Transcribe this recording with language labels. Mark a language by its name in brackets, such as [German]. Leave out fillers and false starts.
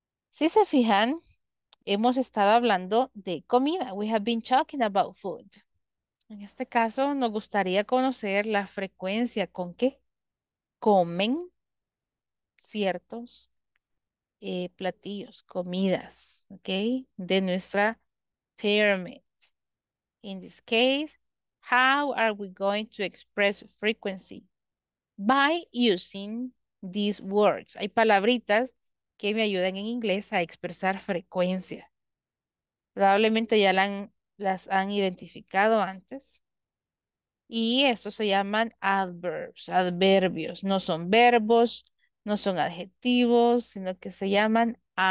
[Spanish] Si se fijan, hemos estado hablando de comida. [English] We have been talking about food. [Spanish] En este caso, nos gustaría conocer la frecuencia con que comen ciertos platillos, comidas, ¿ok? De nuestra pyramid. [English] In this case, how are we going to express frequency? By using these words. [Spanish] Hay palabritas que me ayudan en inglés a expresar frecuencia. Probablemente ya las han identificado antes. Y estos se llaman adverbs, adverbios. No son verbos. No son adjetivos, sino que se llaman